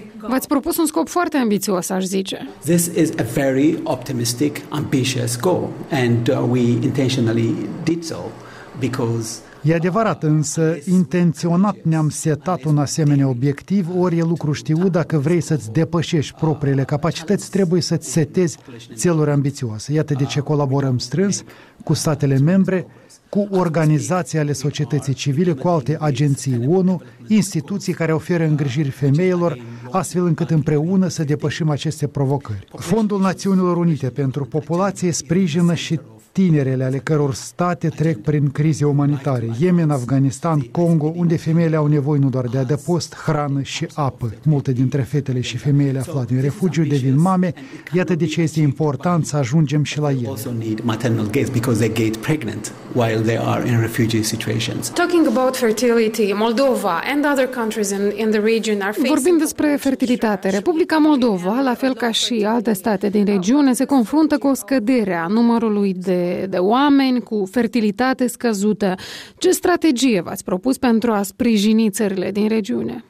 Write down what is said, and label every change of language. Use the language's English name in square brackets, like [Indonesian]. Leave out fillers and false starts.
[Romanian] V-ați propus un scop foarte ambițios, aș zice. [English] This is a very optimistic, ambitious goal, and we intentionally did so because. [Romanian] E adevărat, însă intenționat ne-am setat un asemenea obiectiv, ori e lucru știut, dacă vrei să-ți depășești propriile capacități, trebuie să-ți setezi țeluri ambițioase. Iată de ce colaborăm strâns cu statele membre, cu organizații ale societății civile, cu alte agenții ONU, instituții care oferă îngrijiri femeilor, astfel încât împreună să depășim aceste provocări. Fondul Națiunilor Unite pentru Populație sprijină și tinerele ale căror state trec prin crize umanitare, Yemen, Afganistan, Congo, unde femeile au nevoie nu doar de adăpost, hrană și apă. Multe dintre fetele și femeile aflate în refugiu devin mame, iată de ce este important să ajungem și la ele. [English] Also need maternal gates because they get pregnant while they are in refugee situations. Talking about fertility, Moldova and other countries in the region are facing. [Romanian] Vorbim despre fertilitate. Republica Moldova, la fel ca și alte state din regiune, se confruntă cu o scădere a numărului de oameni cu fertilitate scăzută. Ce strategie v-ați propus pentru a sprijini țările din regiune?